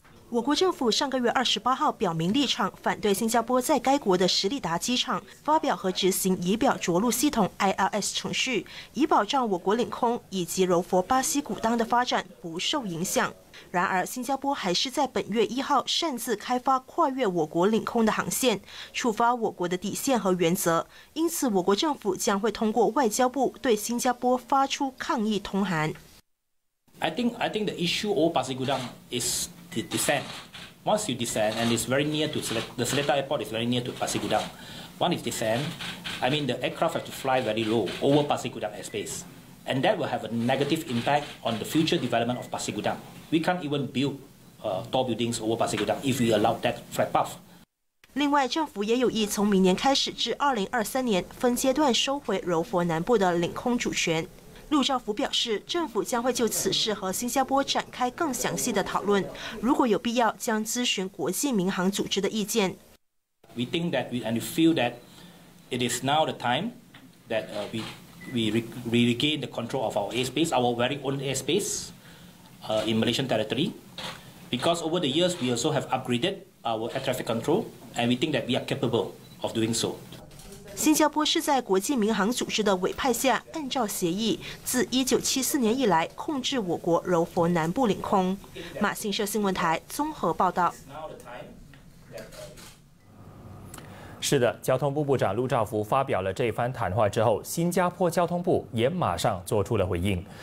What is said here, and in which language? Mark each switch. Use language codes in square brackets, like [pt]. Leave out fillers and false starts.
[zh] 我国政府上个月28号表明立场，反对新加坡在该国的史里达机场发表和执行仪表着陆系统 （ILS） 程序，以保障我国领空以及柔佛巴西古当的发展不受影响。然而，新加坡还是在本月1号擅自开发跨越我国领空的航线，触发我国的底线和原则。因此，我国政府将会通过外交部对新加坡发出抗议通函。 [en] I think the issue of 巴西古当 is. Descend. Once you descend, and it's very near to the Seletar airport, is very near to Pasir Gudang. Once it descends, I mean the aircraft have to fly very low over Pasir Gudang airspace, and that will have a negative impact on the future development of Pasir Gudang. We can't even build tall buildings over Pasir Gudang if we allow that flight path. [zh] 另外，政府也有意从明年开始至2023年分阶段收回柔佛南部的领空主权。陆兆福表示，政府将会就此事和新加坡展开更详细的讨论，如果有必要，将咨询国际民航组织的意见。 [en] We think that we and we feel that it is now the time that we regain the control of our airspace, our very own airspace in Malaysian territory, because over the years we also have upgraded our air traffic control, and we think that we are capable of doing so. [zh] 新加坡是在国际民航组织的委派下，按照协议，自1974年以来控制我国柔佛南部领空。马新社新闻台综合报道。是的，交通部部长陆兆福发表了这番谈话之后，新加坡交通部也马上做出了回应。